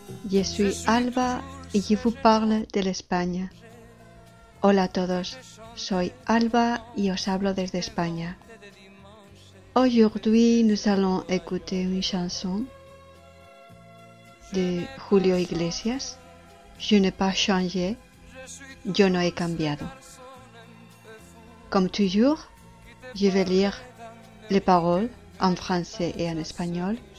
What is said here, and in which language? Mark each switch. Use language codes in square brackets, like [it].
[fr] Je suis Alba et je vous parle de l'Espagne. [es] Hola a todos. Soy Alba y os hablo desde España. [fr] Aujourd'hui, nous allons écouter une chanson de Julio Iglesias. Je n'ai pas changé. [es] Yo no he cambiado. [fr] Comme toujours, je vais lire les paroles en français et en espagnol.